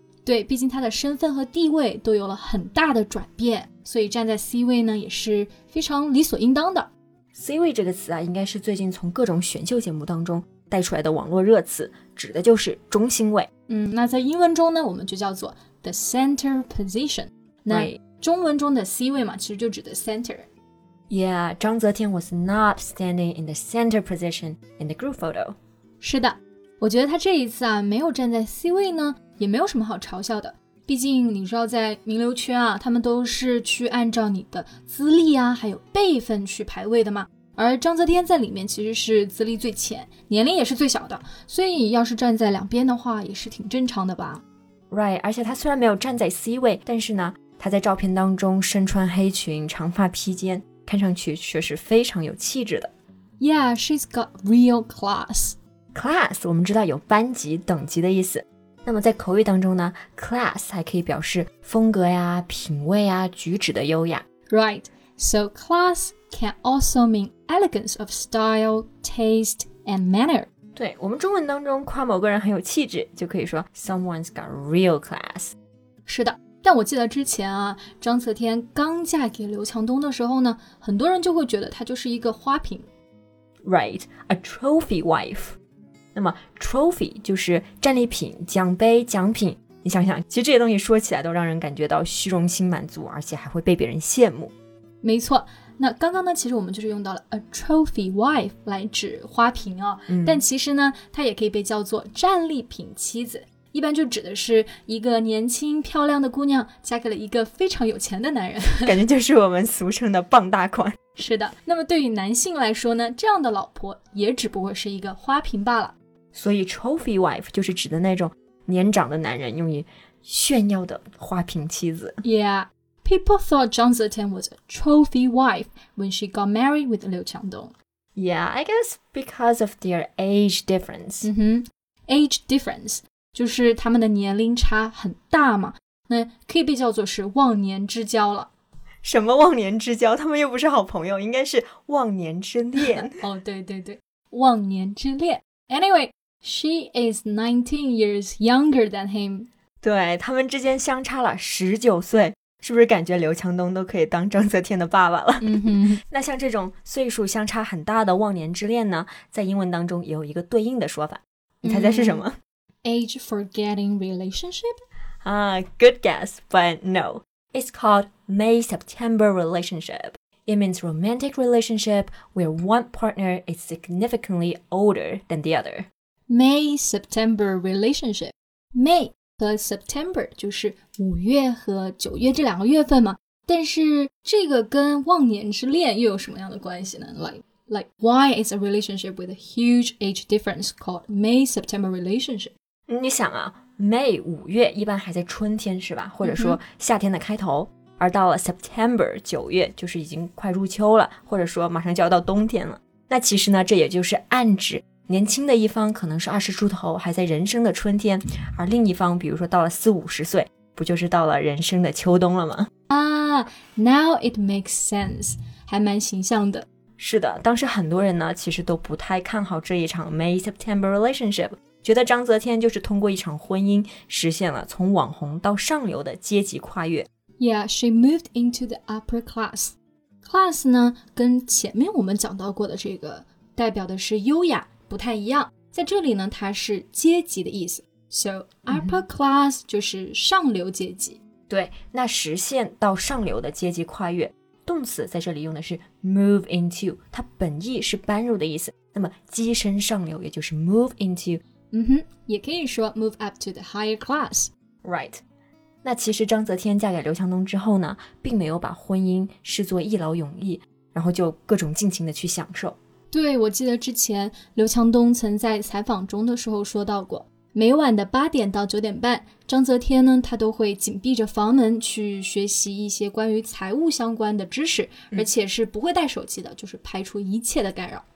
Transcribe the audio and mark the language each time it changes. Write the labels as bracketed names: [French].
[Chinese] 对，毕竟他的身份和地位都有了很大的转变，所以站在 C 位呢也是非常理所应当的。 C 位这个词啊，应该是最近从各种选秀节目当中带出来的网络热词，指的就是中心位。那在英文中呢我们就叫做 [English] the center position。 [Chinese] 那中文中的 C 位嘛，其实就指的 center。 [English] Yeah, 张泽天 was not standing in the center position in the group photo. [Chinese] 是的，我觉得他这一次啊没有站在 C 位呢也没有什么好嘲笑的。毕竟你知道在名流圈啊，他们都是去按照你的资历啊还有辈分去排位的嘛。而张泽天在里面其实是资历最浅，年龄也是最小的，所以要是站在两边的话也是挺正常的吧。 Right, 而且他虽然没有站在 C 位，但是呢他在照片当中身穿黑裙长发披肩，看上去却是非常有气质的。 [English] Yeah, she's got real class. [Chinese] Class, 我们知道有班级等级的意思，那么在口语当中呢 class 还可以表示风格呀品味呀举止的优雅。 [English] Right, so class can also mean elegance of style, taste, and manner. [Chinese] 对，我们中文当中夸某个人很有气质就可以说 [English] someone's got real class. [Chinese] 是的，但我记得之前啊，张泽天刚嫁给刘强东的时候呢，很多人就会觉得她就是一个花瓶。 [English] Right, a trophy wife. [Chinese] 那么 trophy 就是战利品、奖杯、奖品。你想想，其实这些东西说起来都让人感觉到虚荣心满足，而且还会被别人羡慕。没错，那刚刚呢，其实我们就是用到了 [English] a trophy wife [Chinese] 来指花瓶哦，但其实呢，它也可以被叫做战利品妻子。一般就指的是一个年轻漂亮的姑娘嫁给了一个非常有钱的男人，感觉就是我们俗称的傍大款。是的，那么对于男性来说呢，这样的老婆也只不过是一个花瓶罢了。所以 trophy wife 就是指的那种年长的男人用于炫耀的花瓶妻子。 [English] Yeah, people thought Zhang Zetian was a trophy wife when she got married with Liu Qiangdong. Yeah, I guess because of their age difference. Age difference. [Chinese] 就是他们的年龄差很大嘛，那可以被叫做是忘年之交了。什么忘年之交？他们又不是好朋友，应该是忘年之恋。哦，对对对，忘年之恋。 [English] Anyway, she is 19 years younger than him. [Chinese] 对，他们之间相差了19岁，是不是感觉刘强东都可以当张泽天的爸爸了？嗯哼。那像这种岁数相差很大的忘年之恋呢，在英文当中也有一个对应的说法，你猜猜是什么？ [English] Age forgetting relationship? Good guess, but no. It's called May-September relationship. It means romantic relationship where one partner is significantly older than the other. May-September relationship. [Chinese] May 和 September 就是五月和九月这两个月份嘛。但是这个跟忘年之恋又有什么样的关系呢？ [English] Like, why is a relationship with a huge age difference called May-September relationship? [Chinese] 你想啊 May 五月一般还在春天是吧，或者说夏天的开头，而到了 September 九月就是已经快入秋了，或者说马上就要到冬天了。那其实呢这也就是暗指年轻的一方可能是二十出头还在人生的春天，而另一方比如说到了四五十岁不就是到了人生的秋冬了吗？ [English] Now it makes sense, [Chinese] 还蛮形象的。是的，当时很多人呢其实都不太看好这一场 May September relationship， 觉得章泽天就是通过一场婚姻实现了从网红到上流的阶级跨越。 [English] Yeah, she moved into the upper class. [Chinese] Class 呢跟前面我们讲到过的这个代表的是优雅不太一样，在这里呢它是阶级的意思。 So upper class 就是上流阶级。对，那实现到上流的阶级跨越，动词在这里用的是 move into， 它本意是搬入的意思，那么跻身上流也就是 move into。 [English] 嗯哼， [Chinese] 也可以说 [English] move up to the higher class。 Right。 [Chinese] 那其实章泽天嫁给刘强东之后呢，并没有把婚姻视作一劳永逸，然后就各种尽情的去享受。对，我记得之前刘强东曾在采访中的时候说到过，每晚的8点到9点半，章泽天呢他都会紧闭着房门去学习一些关于财务相关的知识，而且是不会带手机的，就是排除一切的干扰。